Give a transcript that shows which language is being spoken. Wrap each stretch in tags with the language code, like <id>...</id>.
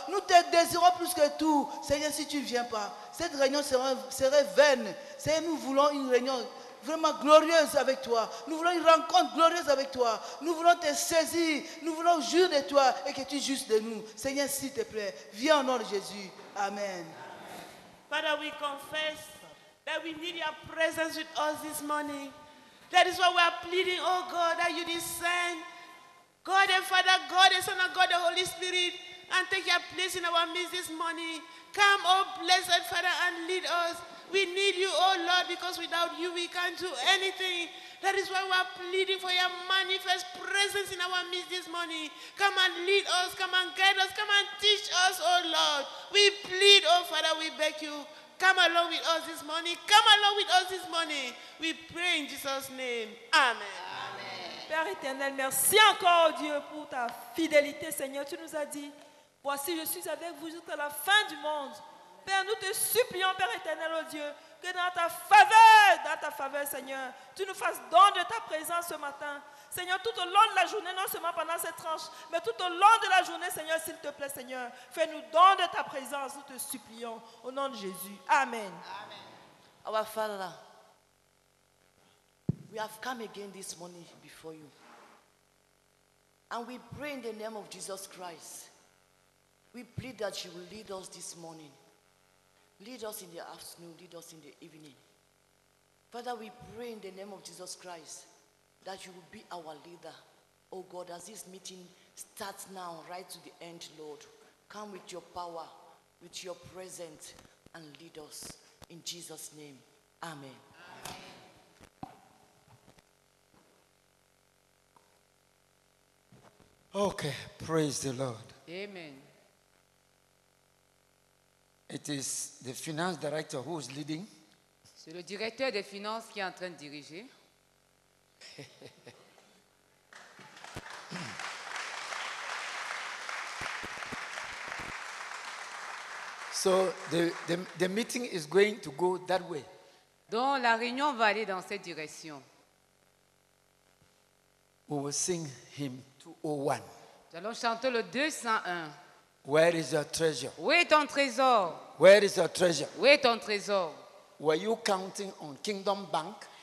<fr>Nous te désirons plus que tout. Seigneur, si tu ne viens pas, cette réunion serait vaine. Seigneur, nous voulons une réunion vraiment glorieuse avec toi. Nous voulons une rencontre glorieuse avec toi. Nous voulons te saisir. Nous voulons jurer de toi et que tu juges de nous. Seigneur, s'il te plaît, viens au nom de Jésus. Amen.</fr> <en>Father, we confess that we need your presence with us this morning. That is why we are pleading, oh God, that you descend. God and Father, God and Son of God, the Holy Spirit, and take your place in our midst this morning. Come, oh blessed Father, and lead us. We need you, oh Lord, because without you we can't do anything. That is why we are pleading for your manifest presence in our midst this morning. Come and lead us, come and guide us, come and teach us, oh Lord. We plead, oh Father, we beg you, come along with us this morning. Come along with us this morning. We pray in Jesus' name. Amen. Amen.</en> <fr>Père éternel, merci encore, Dieu, pour ta fidélité, Seigneur. Tu nous as dit, voici, je suis avec vous jusqu'à la fin du monde. Père, nous te supplions, Père éternel, oh Dieu, que dans ta faveur, Seigneur, tu nous fasses don de ta présence ce matin. Seigneur, tout au long de la journée, non seulement pendant cette tranche, mais tout au long de la journée, Seigneur, s'il te plaît, Seigneur, fais-nous don de ta présence, nous te supplions, au nom de Jésus. Amen. Amen.</fr> <en>Our Father, we have come again this morning before you. And we pray in the name of Jesus Christ. We plead that you will lead us this morning. Lead us in the afternoon, lead us in the evening. Father, we pray in the name of Jesus Christ that you will be our leader. Oh God, as this meeting starts now, right to the end, Lord, come with your power, with your presence, and lead us in Jesus' name. Amen. Okay, praise the Lord. Amen. It is the finance director who is leading.</en> <fr>C'est le directeur des finances qui est en train de diriger.</fr> <en>So the meeting is going to go that way.</en> <fr>Donc la réunion va aller dans cette direction.</fr> <en>We will sing hymn 201.</en> <fr>Nous allons chanter le 201.</fr> <en>Where is your treasure?</en> <fr>Où est ton trésor?</fr> <en>Where is your treasure?</en> <fr>Où est ton trésor?</fr> <en>Were you counting on Kingdom Bank?</en>